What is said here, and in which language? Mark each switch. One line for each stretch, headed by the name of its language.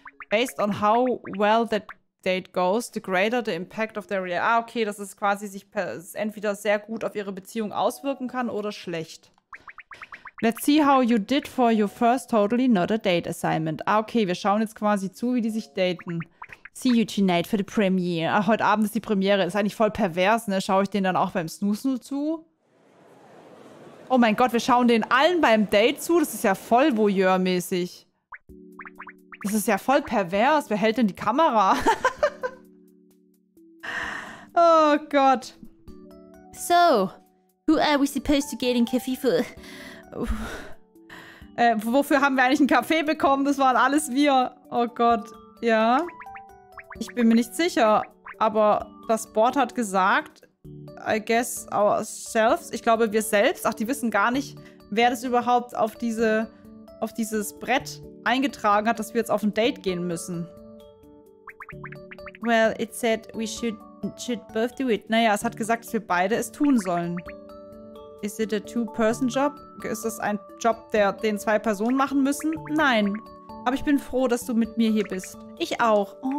English: Based on how well that date goes, the greater the impact of their reaction.
German: Ah, okay, dass es quasi sich entweder sehr gut auf ihre Beziehung auswirken kann oder schlecht.
English: Let's see how you did for your first totally not a date assignment.
German: Ah, okay, wir schauen jetzt quasi zu, wie die sich daten.
English: See you tonight for the premiere.
German: Ah, heute Abend ist die Premiere. Ist eigentlich voll pervers, ne? Schaue ich denen dann auch beim Snoozen zu? Oh mein Gott, wir schauen denen allen beim Date zu? Das ist ja voll voyeurmäßig. Das ist ja voll pervers. Wer hält denn die Kamera? Oh Gott.
English: So, who are we supposed to get in coffee for?
German: Wofür haben wir eigentlich einen Kaffee bekommen? Das waren alles wir. Oh Gott, ja. Ich bin mir nicht sicher, aber das Board hat gesagt,
English: I guess ourselves.
German: Ich glaube, wir selbst. Ach, die wissen gar nicht, wer das überhaupt auf diese... auf dieses Brett eingetragen hat, dass wir jetzt auf ein Date gehen müssen.
English: Well, it said we should both do it.
German: Naja, es hat gesagt, dass wir beide es tun sollen.
English: Is it a two-person job?
German: Ist das ein Job, den zwei Personen machen müssen? Nein. Aber ich bin froh, dass du mit mir hier bist. Ich auch.